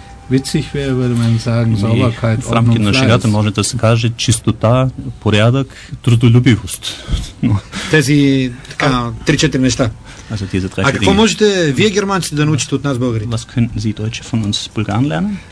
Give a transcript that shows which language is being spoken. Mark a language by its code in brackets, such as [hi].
[de] witzig wäre, würde man sagen, Sauberkeit, [bg] в рамките на шегата може да се каже чистота, порядък, трудолюбивост. Тези 3-4 неща. А какво можете вие, германците, да научите от нас, българите? [de] Was können Sie Deutsche von uns Bulgaren lernen?